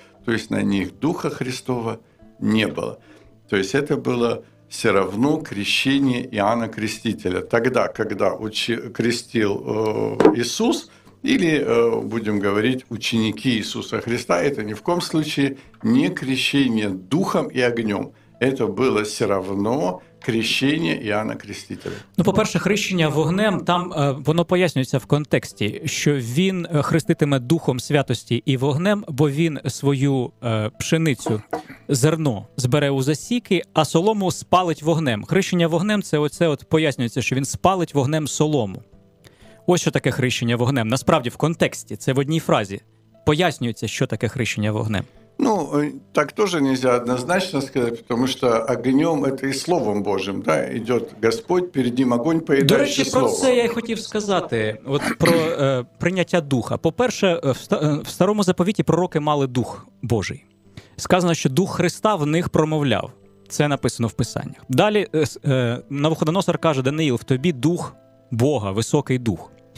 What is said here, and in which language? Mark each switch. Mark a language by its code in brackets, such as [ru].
[ru] То есть на них Духа Христова не было. То есть это было все равно крещение Иоанна Крестителя. Тогда, когда крестил Иисус, или, будем говорить, ученики Иисуса Христа, это ни в коем случае не крещение Духом и огнем. это было все равно крещение Иоанна Крестителя. [uk] Ну, по-перше, хрещення вогнем, там воно пояснюється в контексті, що він хреститиме духом святості і вогнем, бо він свою пшеницю, зерно збере у засіки, а солому спалить вогнем. Хрещення вогнем – це оце от пояснюється, що він спалить вогнем солому. Ось що таке хрещення вогнем. Насправді, в контексті, це в одній фразі, пояснюється, що таке хрещення вогнем. [ru] Ну, так тоже нельзя однозначно сказать, потому что огнем – это и Словом Божьим, да, идет Господь, перед ним огонь, поедающий Слово. [uk] До речі, про це я і хотів сказати, от про прийняття Духа. По-перше, в Старому Заповіті пророки мали Дух Божий. Сказано, що Дух Христа в них промовляв. Це написано в Писаннях. Далі Навуходоносор каже, Даниїл, в тобі Дух Бога, Високий Дух.